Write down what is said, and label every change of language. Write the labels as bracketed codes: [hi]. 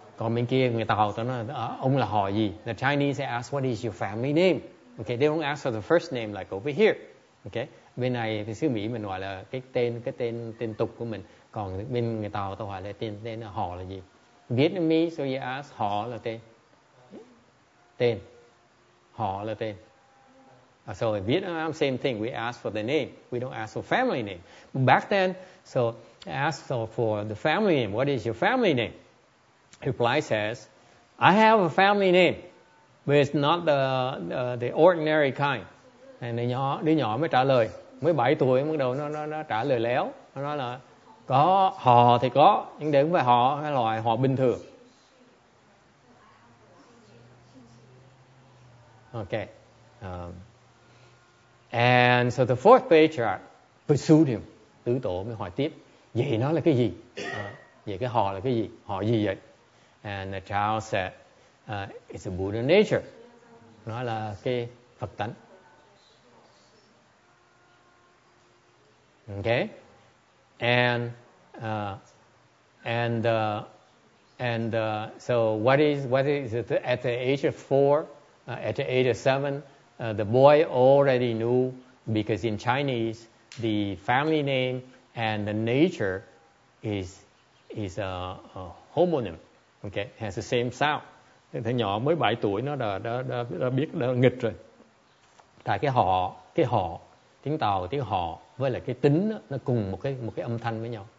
[vi] Còn bên kia người Tàu ta nói ông là họ gì. [en] The Chinese say, ask what is your family name. Okay. They don't ask for the first name like over here. Okay. [vi] Bên này thì xứ Mỹ mình gọi là cái tên tục của mình. Còn bên người Tàu tôi hỏi là tên họ là gì? [en] Vietnamese, so you ask, [vi] họ là tên. Tên. Họ là tên. [en] So in Vietnam, same thing. We ask for the name. We don't ask for family name. Back then, so ask for the family name. What is your family name? Reply says, I have a family name, but it's not the ordinary kind. [vi] And đứa nhỏ mới trả lời. Mới 7 tuổi, bắt đầu nó trả lời léo. Nó nói là, có họ thì có, nhưng đừng phải họ hay loại họ bình thường. [en] Okay. And so the fourth patriarch pursued him. [vi] Tứ tổ mới hỏi tiếp, vậy nó là cái gì? Vậy cái họ là cái gì? Họ gì vậy? [en] And the child said, it's a Buddha nature. [vi] Nó là cái Phật tánh. [en] Okay. So what is it? At the age of 4, at the age of 7, the boy already knew, because in Chinese the family name and the nature is a homonym, okay, has the same sound. [vi] Thế nhỏ mới 7 tuổi nó đã biết đã nghịch rồi. Tại cái họ tiếng Tàu tiếng họ với là cái tính đó, nó cùng một cái âm thanh với nhau.